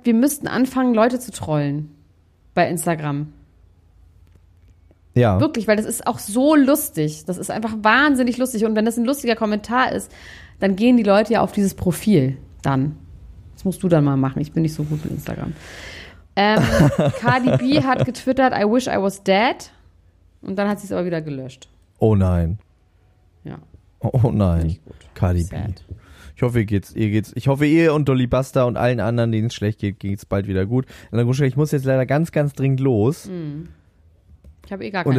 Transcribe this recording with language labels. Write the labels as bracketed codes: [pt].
[de] Wir müssten anfangen, Leute zu trollen bei Instagram. Ja. Wirklich, weil das ist auch so lustig. Das ist einfach wahnsinnig lustig. Und wenn das ein lustiger Kommentar ist, dann gehen die Leute ja auf dieses Profil dann. Das musst du dann mal machen. Ich bin nicht so gut mit Instagram. Cardi B hat getwittert, [en] I wish I was dead. [de] Und dann hat sie es aber wieder gelöscht. Oh nein. Ja. Oh nein. Cardi B. Ich hoffe, ihr und Dolly Basta und allen anderen, denen es schlecht geht, geht es bald wieder gut. Ich muss jetzt leider ganz, ganz dringend los. Ich habe eh gar keine Zeit.